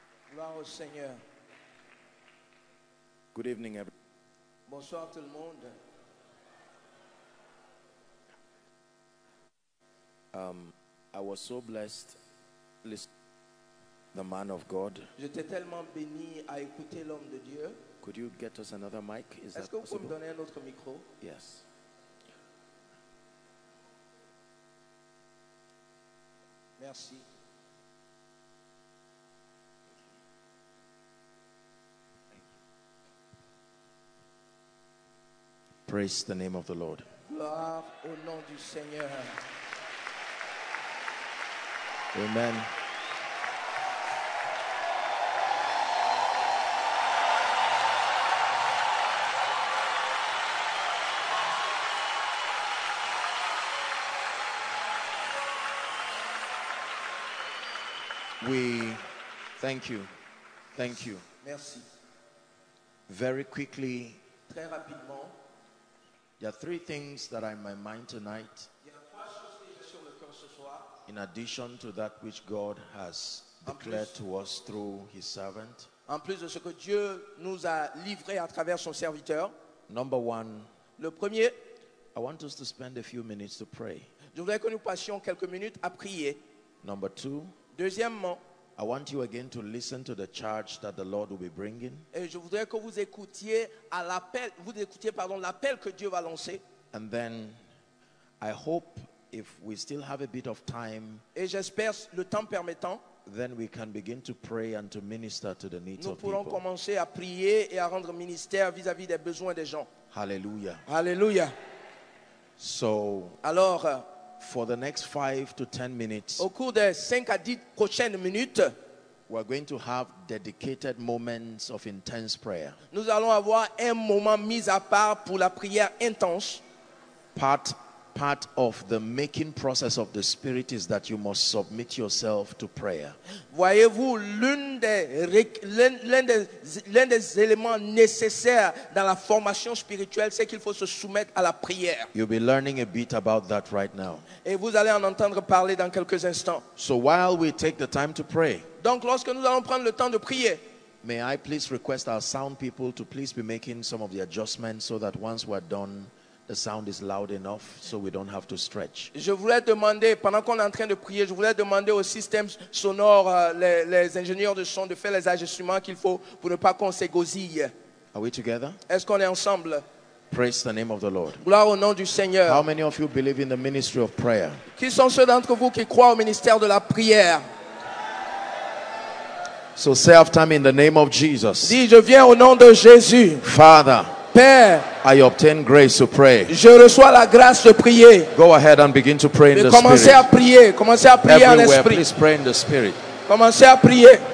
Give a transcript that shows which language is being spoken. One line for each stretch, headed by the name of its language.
French: Gloire au Seigneur.
English: Good evening, everyone.
French: Bonsoir tout le monde.
English: I was so blessed listening to the man of God.
French: J'étais tellement béni à écouter l'homme de Dieu.
English: Could you get us another mic? Is
French: Est-ce
English: that possible?
French: Me donner un autre micro?
English: Yes.
French: Merci.
English: Praise the name of the Lord.
French: Gloire au nom du Seigneur. Amen.
English: We thank you. Thank you.
French: Merci.
English: Very quickly.
French: Très rapidement.
English: There are three things that are in my mind tonight.
French: Il y a trois choses que j'ai sur le cœur ce soir.
English: In addition to that which God has declared to us through his servant.
French: En plus de ce que Dieu nous a livré à travers son serviteur.
English: Number one.
French: Le premier.
English: I want us to spend a few minutes to pray.
French: Je voudrais que nous passions quelques minutes à prier.
English: Number two.
French: Deuxièmement,
English: I want you again to listen to the charge that the Lord will be bringing.
French: Et je voudrais que vous écoutiez à l'appel, vous écoutiez pardon, l'appel que Dieu va lancer.
English: And then I hope if we still have a bit of time,
French: et j'espère le temps permettant,
English: then we can begin to pray and to minister to the needs of people.
French: Nous pourrons commencer à prier et à rendre ministère vis-à-vis des besoins des gens. Hallelujah. Hallelujah.
English: So,
French: alors
English: for the next 5 to 10 minutes,
French: au cours des 5 à 10 prochaines minutes,
English: we are going to have dedicated moments of intense prayer.
French: Nous allons avoir un moment mis à part pour la prière intense.
English: Part of the making process of the Spirit is that you must submit yourself to prayer.
French: Voyez-vous, l'un des éléments nécessaires dans la formation spirituelle, c'est qu'il faut se soumettre à la prière.
English: You'll be learning a bit about that right now.
French: Et vous allez en entendre parler dans quelques instants.
English: So while we take the time to pray,
French: donc lorsque nous allons prendre le temps de prier,
English: may I please request our sound people to please be making some of the adjustments so that once we're done, the sound is loud enough so we don't have to stretch.
French: Je voulais demander, pendant qu'on est en train de prier, je voulais demander au système sonore, les ingénieurs de son, de faire les ajustements qu'il faut pour ne pas qu'on s'égosille.
English: Are we together?
French: Est-ce qu'on est ensemble?
English: Praise the name of the Lord.
French: Gloire au nom du Seigneur.
English: How many of you believe in the ministry of prayer?
French: Qui sont ceux d'entre vous qui croient au ministère de la prière?
English: So say after me in the name of Jesus.
French: Dis, je viens au nom de Jésus.
English: Father,
French: Père,
English: I obtain grace to pray.
French: Je reçois la grâce de prier.
English: Go ahead and begin to pray in the
French: commencez
English: spirit.
French: À prier. Commencez à prier
English: everywhere,
French: en esprit.
English: Please pray in the spirit.
French: Commencez à prier.